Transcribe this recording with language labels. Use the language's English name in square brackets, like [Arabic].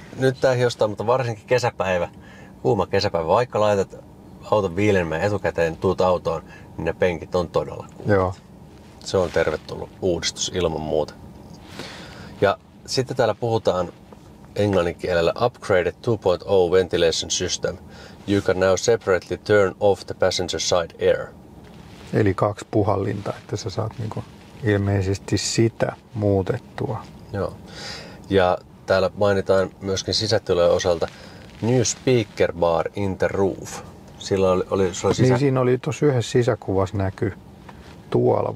[Finnish] Nyt tämä hiostaa, mutta varsinkin kesäpäivä, kuuma kesäpäivä, vaikka laitat auton viilenemään etukäteen, tuut autoon, niin ne penkit on todella kuumat. Joo. Se on tervetullut uudistus ilman muuta. Ja sitten täällä puhutaan englanninkielellä [English] upgraded 2.0 ventilation system. You can now separately turn off the passenger side air. [Finnish] Eli kaksi puhallinta, että sä saat niinku ilmeisesti sitä muutettua. Joo. Ja täällä mainitaan myöskin sisätilojen osalta [English] new speaker bar in the roof. [Finnish] Sillä oli sulla sisä... Niin siinä oli tuossa yhdessä sisäkuvassa näkyy tuolla.